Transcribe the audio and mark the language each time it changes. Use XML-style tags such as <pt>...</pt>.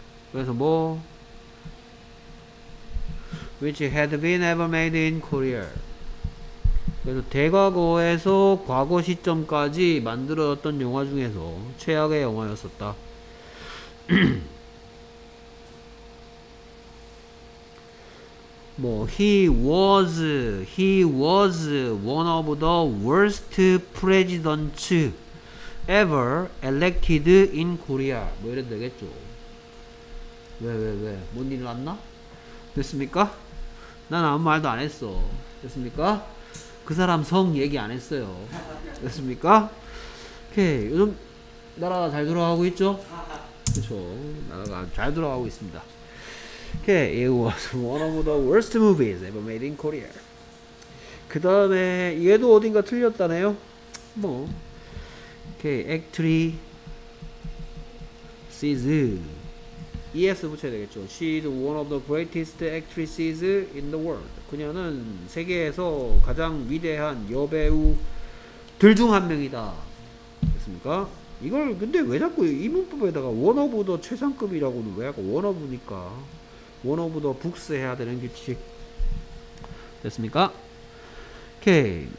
<ko>그래서 뭐</ko> <en>which had been ever made in Korea.</en> <ko>그래서 대과거에서 과거 시점까지 만들어졌던 영화 중에서 최악의 영화였었다. 뭐</ko> <en>he was one of the worst presidents ever elected in Korea.</en> <ko>뭐 이래도 되겠죠. 왜 뭔 일 났나? 됐습니까? 난 아무 말도 안 했어. 됐습니까? 그 사람 성 얘기 안 했어요. 됐습니까? 오케이. 요즘 나라가 잘 돌아가고 있죠? 그쵸. 나라가 잘 돌아가고 있습니다.</ko> <en>Okay, it was one of the worst movies ever made in Korea.</en> <ko>그 다음에 얘도 어딘가 틀렸다네요. 뭐</ko> <en>Okay, actually she's ES</en> <ko>붙여야 되겠죠.</ko> <en>She's one of the greatest actresses in the world.</en> <ko>그녀는 세계에서 가장 위대한 여배우들 중 한 명이다. 됐습니까? 이걸 근데 왜 자꾸 이 문법에다가 one of the 최상급이라고는 왜 하고 one of니까</ko> <en>one of the books</en> <ko>해야 되는 규칙 됐습니까? 오케이.</ko>